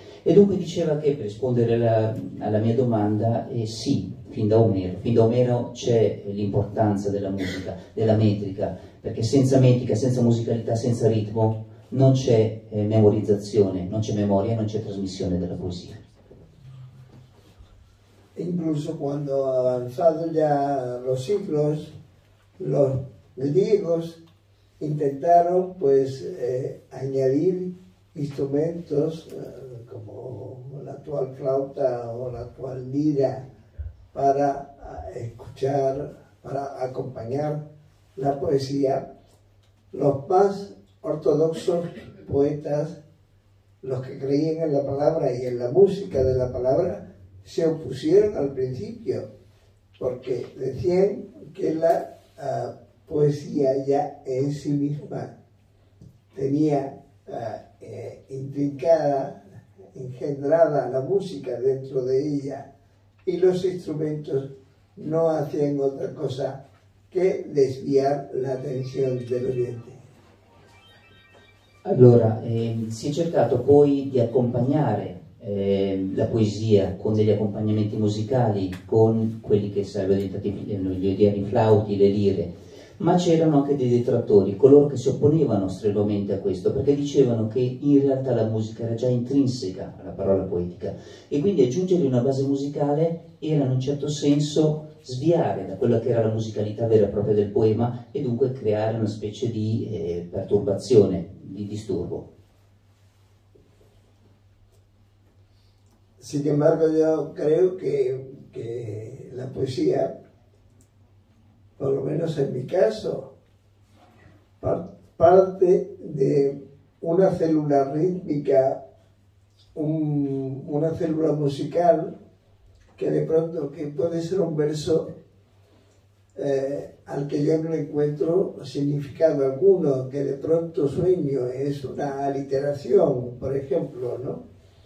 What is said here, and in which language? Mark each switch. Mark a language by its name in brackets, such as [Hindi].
[Italian] E dunque diceva che, per rispondere alla mia domanda, sì, fin da Omero c'è l'importanza della musica, della metrica, perché senza metrica, senza musicalità, senza ritmo, non c'è memorizzazione, non c'è memoria, non c'è trasmissione della poesia. [Spanish] Incluso [Italian] quando ha avanzato già [Spanish] los siglos, los griegos intentaron pues añadir instrumentos como la actual flauta o la actual lira para escuchar, para acompañar la poesía. Los más ortodoxos poetas, los que creían en la palabra y en la música de la palabra, se opusieron al principio, porque decían que la poesía ya en sí misma tenía intrincada, engendrada la música dentro de ella, y los instrumentos no hacían otra cosa que desviar la atención del oyente. [Italian] Allora, si è cercato poi di accompagnare la poesia con degli accompagnamenti musicali, con quelli che sarebbero diventati gli odierni flauti, le lire, ma c'erano anche dei detrattori, coloro che si opponevano strenuamente a questo, perché dicevano che in realtà la musica era già intrinseca alla parola poetica, e quindi aggiungere una base musicale era in un certo senso sviare da quella che era la musicalità vera e propria del poema, e dunque creare una specie di perturbazione, di disturbo. [Spanish] Sin embargo, yo creo que la poesía, por lo menos en mi caso, parte de una célula rítmica, una célula musical, que de pronto que puede ser un verso al que yo no encuentro significado alguno, que de pronto sueño, es una aliteración, por ejemplo, ¿no?